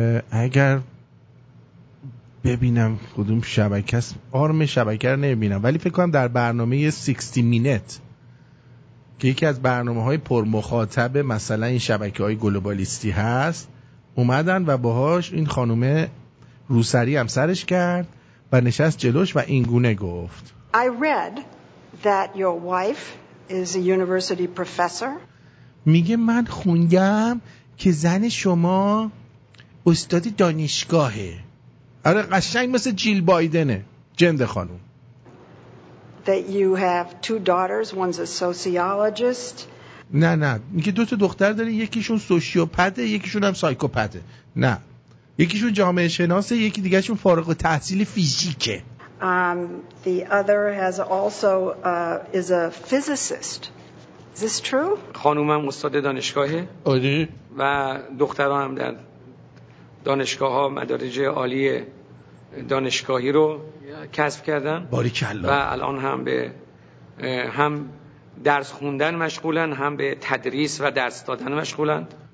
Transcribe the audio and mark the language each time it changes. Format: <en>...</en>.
<fa>اگر ببینم کدوم شبکه است، آرم شبکه رو نمیبینم، ولی فکر کنم در برنامه 60 مینت که یکی از برنامه های پرمخاطب مثلا این شبکه های گلوبالیستی هست، اومدن و باهاش این خانم روسری هم سرش کرد و نشست جلوش و این گونه گفت.</fa> <en>I read that your wife is a university professor.</en> <fa>میگه من خوندم که زن شما استاد دانشگاهه. آره قشنگ مثل جیل بایدنه، جند خانم.</fa> <en>That you have two daughters, one's a sociologist.</en> <fa>نه نه، میگه دو تا دختر داره، یکیشون سوشیوپاته یکیشون هم سایکوپاته. نه، یکیشون جامعه شناسه، یکی دیگه شون فارغ التحصیل فیزیکه.</fa> <en>The other has also is a physicist. Is this true?</en> <fa>خانومم استاد دانشگاهه. آره. و دخترها هم در دانشگاه ها مدارج عالی دانشگاهی رو کسب کردن. باریکالله. و الان هم به هم درس خوندن مشغولن، هم به تدریس و درس دادن مشغولن.</fa>